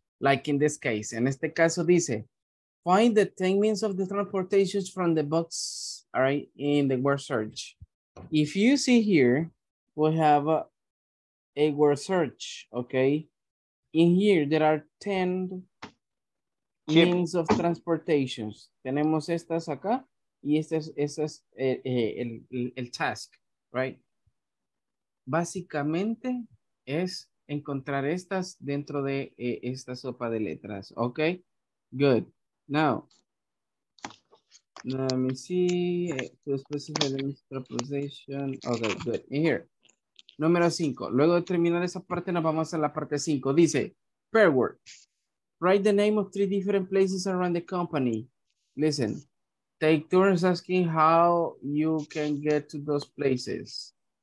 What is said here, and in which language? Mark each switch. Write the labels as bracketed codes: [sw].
[en] Like in this case, [es] en este caso dice, [en] find the 10 means of the transportation from the box, all right, in the word search. If you see here, we have a word search, okay? In here, there are 10 means of transportation. [es] Tenemos estas acá y este es el task, right? Básicamente es encontrar estas dentro de esta sopa de letras. [en] Okay, good. Now, let me see. To specify the transportation. Okay, good. In here. Número 5. [es] Luego de terminar esa parte, nos vamos a la parte 5. [en] Dice, pair word. Write the name of three different places around the company. Listen, take turns asking how you can get to those places.